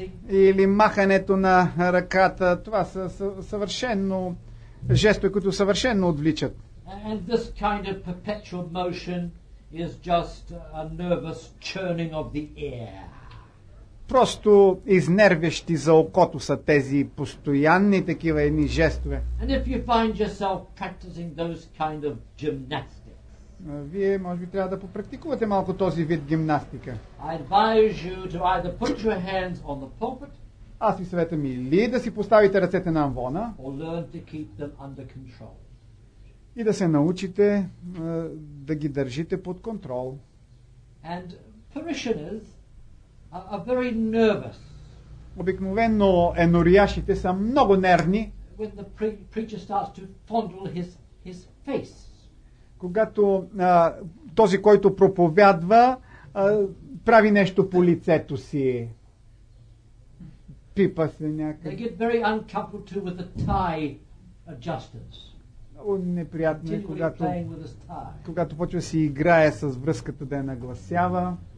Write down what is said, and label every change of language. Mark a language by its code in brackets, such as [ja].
[bg] Или махането на ръката. Това са съвършено жестове, които съвършено отвличат. [en] And this kind of perpetual motion is just a nervous churning of the air. [bg] Просто изнервящи за окото са тези постоянни такива едни жестове. [en] And if you find yourself practicing those kind of gymnastics, [bg] вие може би трябва да попрактикувате малко този вид гимнастика. [en] I advise you to either put your hands on the pulpit, [bg] Аз ви съветвам или да си поставите ръцете на амвона, [en] or learn to keep them under control. [bg] И да се научите да ги държите под контрол. [en] And parishioners are very nervous. [bg] Обикновено енориашите са много нервни. [en] When the preacher starts to fondle his face. [bg] Когато този, който проповядва, прави нещо по лицето си. Пипа се някак. [en] They get very uncoupled too with the tie adjusters. [bg] Неприятно е, когато почва си играе с връзката да я нагласява.